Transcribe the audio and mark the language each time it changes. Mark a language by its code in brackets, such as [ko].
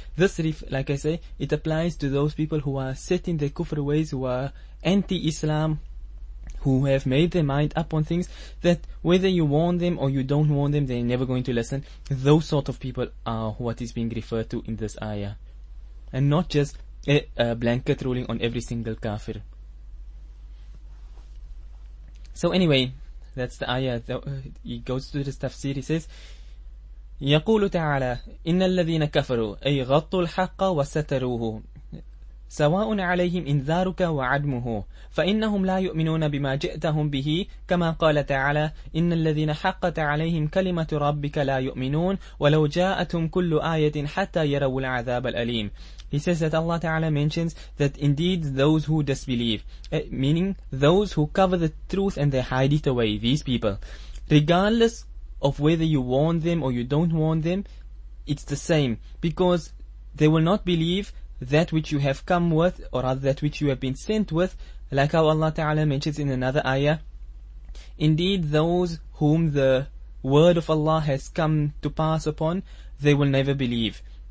[en] This, like I say, it applies to those people who are set in their kufr ways, who are anti-Islam, who have made their mind up on things, that whether you warn them or you don't warn them, they're never going to listen. Those sort of people are what is being referred to in this ayah. And not just a blanket ruling on every single kafir. So anyway, that's the ayah. He goes to this tafsir. He says, [ar] يقول تعالى إن الذين كفروا أي غطوا الحق وستروه سواء عليهم إنذارك وعدمه فإنهم لا يؤمنون بما جئتهم به كما قال تعالى إن الذين حقت عليهم كلمة ربك لا يؤمنون ولو جاءتهم كل آية حتى يروا العذاب الأليم. [en] He says that Allah Ta'ala mentions that indeed those who disbelieve, meaning those who cover the truth and they hide it away, these people, regardless of whether you warn them or you don't warn them, it's the same, because they will not believe that which you have come with, or rather that which you have been sent with, like how Allah Ta'ala mentions in another ayah, indeed those whom the word of Allah has come to pass upon, they will never believe.